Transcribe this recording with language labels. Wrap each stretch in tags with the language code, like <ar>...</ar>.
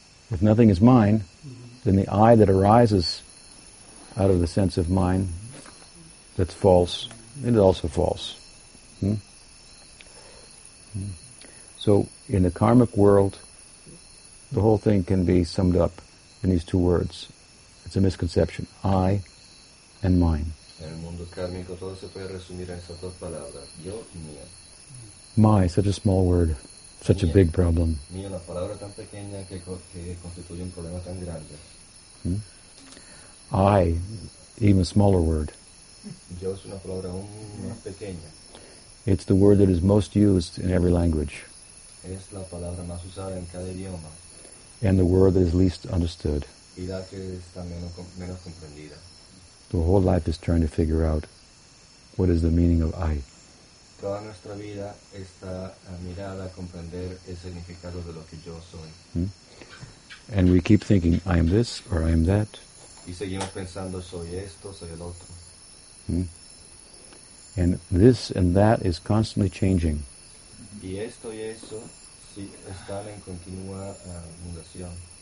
<en>If nothing is mine, then the I that arises out of the sense of mine, that's false, it is also false. So, in the karmic world, the whole thing can be summed up in these two words. It's a misconception. I and mine.</en> <es>En el mundo kármico todo se puede resumir en esas dos palabras. Yo y mía.</es> <en>My, such a small word. Such mía. A big problem.</en> <es>Mía, la palabra tan pequeña que constituye un problema tan grande.</es> <en>I, even a smaller word.</en> <es>Yo es una palabra aún más pequeña.</es> <en>It's the word that is most used in every language.</en> <es>Es la palabra más usada en cada idioma.</es> <en>And the word that is least understood.</en> <es>Y la que está menos comprendida.</es> <en>The whole life is trying to figure out what is the meaning of I.</en> <es>Toda nuestra vida está mirada a comprender el significado de lo que yo soy.</es> <en>And we keep thinking, I am this or I am that.</en> <es>Y seguimos pensando, soy esto, soy el otro.</es> <en>And this and that is constantly changing.</en> <es>Y esto y eso, sí, están en continua, mutación.</es>